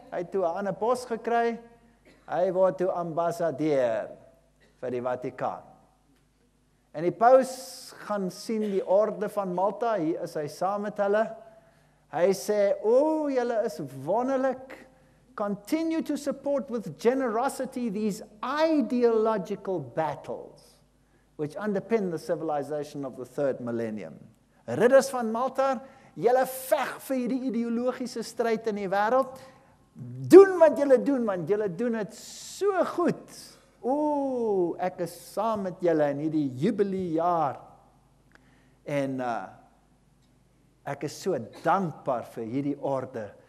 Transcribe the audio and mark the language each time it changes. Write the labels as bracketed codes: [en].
[af] Hy het toe aan 'n pos gekry. Hy word toe ambassadeur vir die Vatikaan. En die paus gaan sien die orde van Malta, hier is hy saam met hulle. Hy sê, o, julle is wonderlik. [en] Continue to support with generosity these ideological battles, which underpin the civilization of the third millennium. [af] Ridders van Malta, julle veg vir die ideologiese stryd in die wêreld. Doen wat julle doen, want julle doen het so goed. Oeh, ek is saam met julle in hierdie jubileejaar. En ek is so dankbaar vir hierdie orde